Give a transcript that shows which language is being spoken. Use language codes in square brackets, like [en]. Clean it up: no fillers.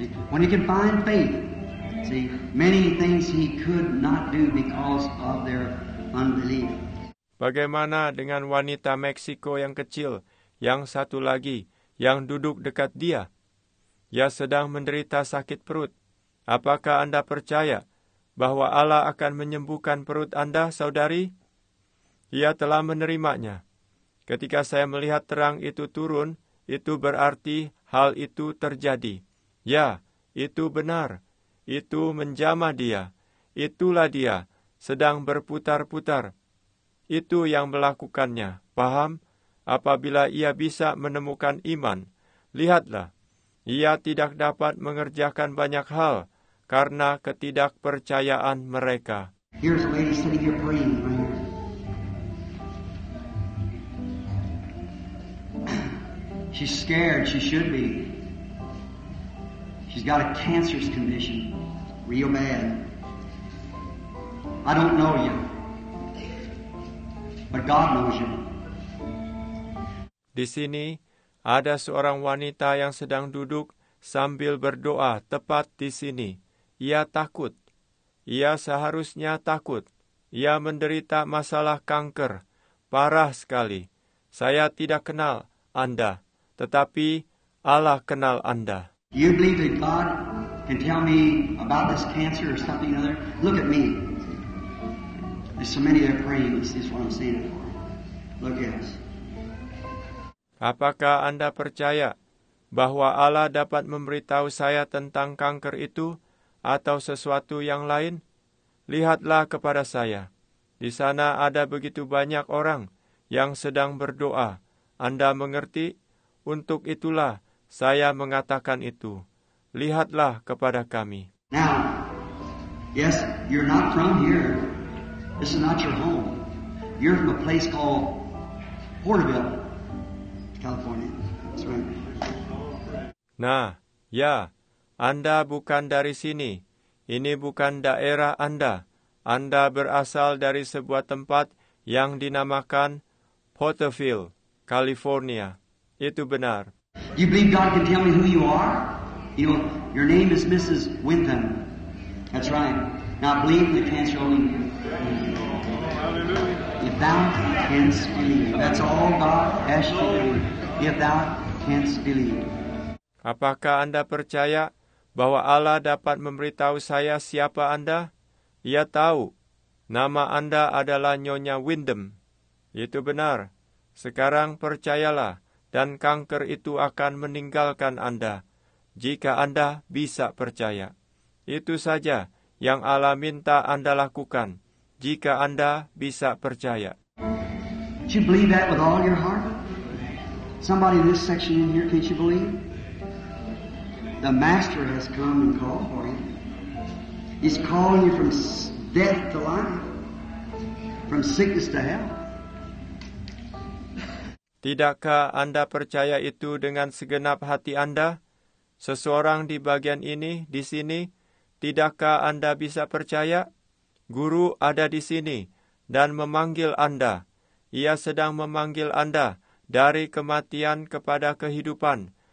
[en] When you can find faith. See, many things he could not do because of their unbelief. [id] Bagaimana dengan wanita Meksiko yang kecil, yang satu lagi, yang duduk dekat dia? Ia sedang menderita sakit perut. Apakah Anda percaya bahwa Allah akan menyembuhkan perut Anda, saudari? Ia telah menerimanya. Ketika saya melihat terang itu turun, itu berarti hal itu terjadi. Ya, itu benar. Itu menjamah dia. Itulah dia, sedang berputar-putar. Itu yang melakukannya, paham? Apabila ia bisa menemukan iman, lihatlah, ia tidak dapat mengerjakan banyak hal karena ketidakpercayaan mereka. [en] Here's a lady sitting here praying right here. She's scared, she should be. She's got a cancerous condition, real bad. I don't know you. But God knows you. [id] Di sini ada seorang wanita yang sedang duduk sambil berdoa tepat di sini. Ia takut. Ia seharusnya takut. Ia menderita masalah kanker parah sekali. Saya tidak kenal Anda, tetapi Allah kenal Anda. [en] You believe that God can tell me about this cancer or something other? Look at me. There's so many that are praying. This is what I'm saying it for. Look at us. [id] Apakah Anda percaya bahwa Allah dapat memberitahu saya tentang kanker itu atau sesuatu yang lain? Lihatlah kepada saya. Di sana ada begitu banyak orang yang sedang berdoa. Anda mengerti? Untuk itulah saya mengatakan itu. Lihatlah kepada kami. [en] Now, yes, you're not from here. This is not your home. You're from a place called Porterville, California. That's right. [id] Nah, ya, Anda bukan dari sini. Ini bukan daerah Anda. Anda berasal dari sebuah tempat yang dinamakan Porterville, California. Itu benar. [en] You believe God can tell me who you are? You know, your name is Mrs. Wintham. That's right. Now believe the cancer only. If thou canst believe. That's all God asks you to believe. If thou canst believe. [id] Apakah Anda percaya bahwa Allah dapat memberitahu saya siapa Anda? Ia tahu. Nama Anda adalah Nyonya Wyndham. Itu benar. Sekarang percayalah dan kanker itu akan meninggalkan Anda. Jika Anda bisa percaya. Itu saja yang Allah minta Anda lakukan. Jika Anda bisa percaya. [en] Can you believe that with all your heart? Somebody in this section in here, can't you believe? The Master has come and called for you. He's calling you from death to life, from sickness to health. [id] Tidakkah Anda percaya itu dengan segenap hati Anda? Seseorang di bagian ini, di sini, tidakkah Anda bisa percaya? Guru ada di sini dan memanggil Anda. Ia sedang memanggil Anda dari kematian kepada kehidupan.